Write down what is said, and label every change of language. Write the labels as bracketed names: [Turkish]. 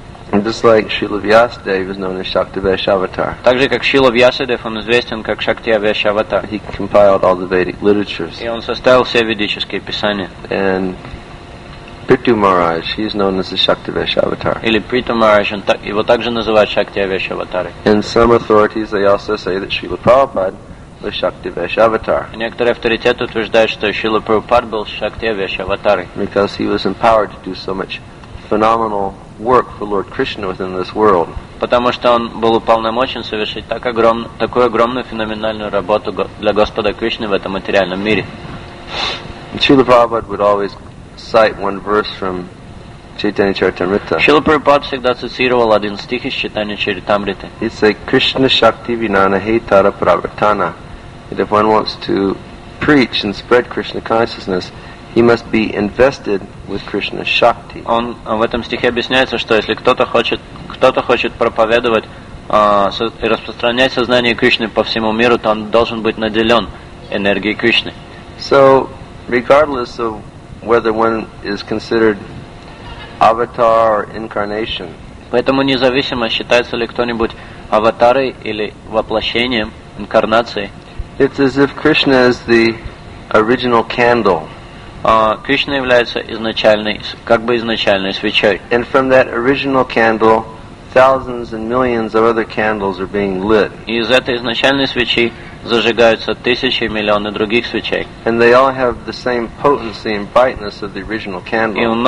[English] Just like Srila Vyasadeva is known as Shaktivesh Avatar. [Russian] Также как Шрила Вьясадев, он известен как Шактиавеш Аватар. [English] He compiled all the Vedic literatures. [Russian] И он составил все ведические писания. [English] And Prithu Maharaj, he is known as the Shaktivesh Avatar. [Russian] Или Prithu Maharaj, его также называют Шактиавеш Аватар. [English] And some authorities, they also say that Srila Prabhupada the Shaktivesh Avatar. [Russian] Некоторые авторитеты утверждают, что Шрила Прабхупада был Шактивеш Аватар. [English] Because he was empowered to do so much phenomenal work for Lord Krishna within this world. [Russian] Потому что он был уполномочен совершить такую огромную феноменальную работу для Господа Кришны в этом материальном мире. [English] Srila Prabhupada would always cite one verse from Chaitanya Charitamrita. [Russian] Srila Prabhupada всегда цитировал один стих из Чайтанья Чаритамриты. [Sanskrit] It's a Krishna Shakti Vinana Hetara Pravartana. [English] If one wants to preach and spread Krishna consciousness, he must be invested with Krishna Shakti. [Russian] Он в этом стихе объясняется, что если кто-то хочет проповедовать и распространять сознание Кришны по всему миру, то он должен быть наделен энергией Кришны. [English] So, regardless of whether one is considered avatar or incarnation, [Russian] поэтому независимо, считается ли кто-нибудь аватарой или воплощением, инкарнацией, [English] it's as if Krishna is the original candle. [Russian] Кришна является изначальной, как бы изначальной свечой. [English] And from that original candle, thousands and millions of other candles are being lit. [Russian] И из этой изначальной свечи зажигаются тысячи, миллионы других свечей. [English] And they all have the same potency and brightness of the original candle.